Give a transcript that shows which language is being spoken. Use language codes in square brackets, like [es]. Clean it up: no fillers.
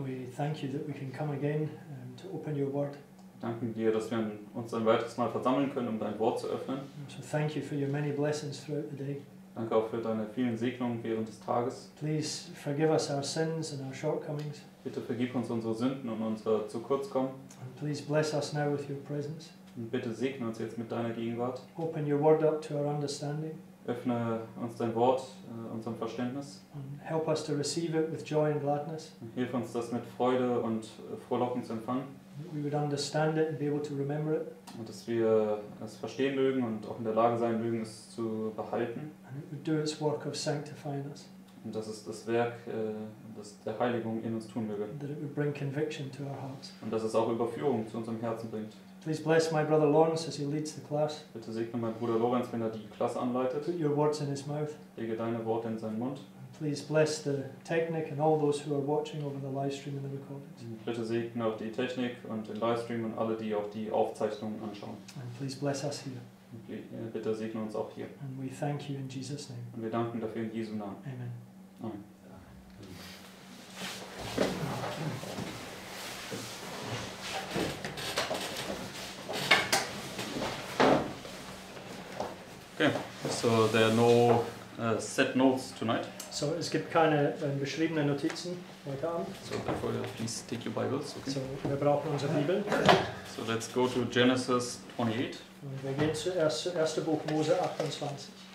[en] we thank you that we can come again to open your word. [de] Wir danken dir, dass wir uns ein weiteres Mal versammeln können, um dein Wort zu öffnen. [en] So thank you for your many blessings throughout the day. [de] Danke auch für deine vielen Segnungen während des Tages. [en] Please forgive us our sins and our shortcomings. [de] Bitte vergib uns unsere Sünden und unser Zukurzkommen. [en] And please bless us now with your presence. [de] Und bitte segne uns jetzt mit deiner Gegenwart. [en] Open your word up to our understanding. [de] Öffne uns dein Wort, unserem Verständnis. [en] And help us to receive it with joy and gladness. [de] Hilf uns, das mit Freude und Frohlocken zu empfangen. [en] We would understand it and be able to remember it. [de] Und dass wir es verstehen mögen und auch in der Lage sein mögen, es zu behalten. [en] And it would do its work of sanctifying us. [de] Und dass es das Werk, das der Heiligung in uns tun möge. [en] And that it would bring conviction to our hearts. [de] Und dass es auch Überführung zu unserem Herzen bringt. [en] Please bless my brother Lawrence as he leads the class. [de] Bitte segne meinen Bruder Lawrence, wenn er die Klasse anleitet. [en] Put your words in his mouth. [de] Lege deine Worte in seinen Mund. [en] Please bless the technic and all those who are watching over the live stream and the recordings. [de] Bitte segne auch die Technik und den Livestream und alle, die auch die Aufzeichnungen anschauen. [en] And please bless us here. [de] Bitte segne uns auch hier. [en] And we thank you in Jesus' name. [de] Und wir danken dafür in Jesu Namen. [en] Amen. [de] Amen. [en] Okay, so there are no set notes tonight. [de] So es gibt keine beschriebenen Notizen heute Abend. [en] So therefore, please take your Bibles. Okay. [de] So wir brauchen unsere Bibel. [en] So let's go to Genesis 28. [de] Und wir gehen zuerst zum ersten Buch Mose 28.